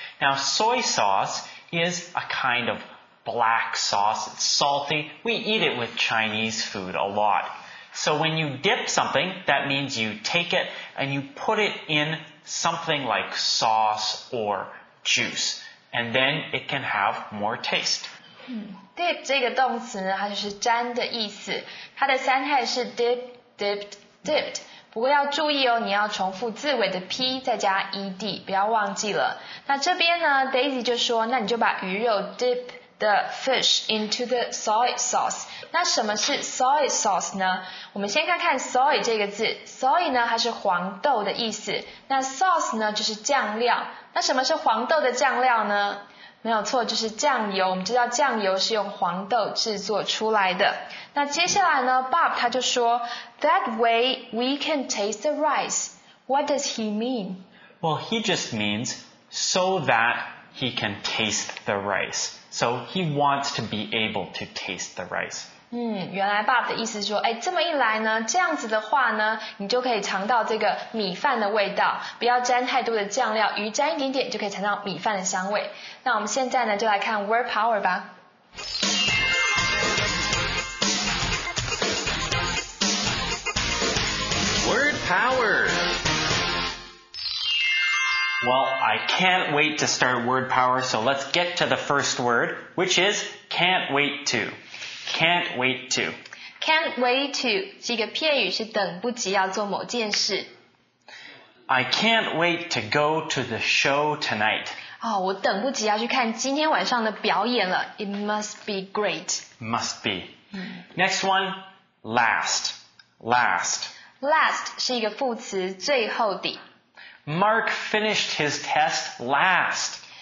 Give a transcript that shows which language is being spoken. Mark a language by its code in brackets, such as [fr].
[en] Now, soy sauce is a kind of black sauce. It's salty. We eat it with Chinese food a lot. So when you dip something, that means you take it and you put it in something like sauce or juice. And then it can have more taste. [zh] Dip 这个动词呢，它就是沾的意思。它的三态是 dip, dipped, dipped。不过要注意哦，你要重复字尾的 P 再加 ED， 不要忘记了。那这边呢 ，Daisy 就说，那你就把鱼肉 [en] dip the fish into the soy sauce。 [zh] 那什么是 soy sauce 呢？我们先看看 soy 这个字 ，soy 呢它是黄豆的意思，那 sauce 呢就是酱料。那什么是黄豆的酱料呢？没有错，就是酱油。我们知道酱油是用黄豆制作出来的。那接下来呢 ，Bob 他就说 ， [en] That way we can taste the rice. What does he mean? Well, he just means so that he can taste the rice. So he wants to be able to taste the rice. [zh] 原来 Bob 的意思是说，哎，这么一来呢，这样子的话呢，你就可以尝到这个米饭的味道，不要沾太多的酱料，鱼沾一点点就可以尝到米饭的香味。那我们现在呢，就来看 word power 吧。 [en] Word power. Well, I can't wait to start word power, so let's get to the first word, which is can't wait to. Can't wait to. [zh] Can't wait to 是一个片语，是等不及要做某件事。 [en] I can't wait to go to the show tonight. [zh] 我等不及要去看今天晚上的表演了。 [en] It must be great. Must be. Next one, last. Last. [zh] Last 是一个副词，最后的。 [en] Mark finished his test last.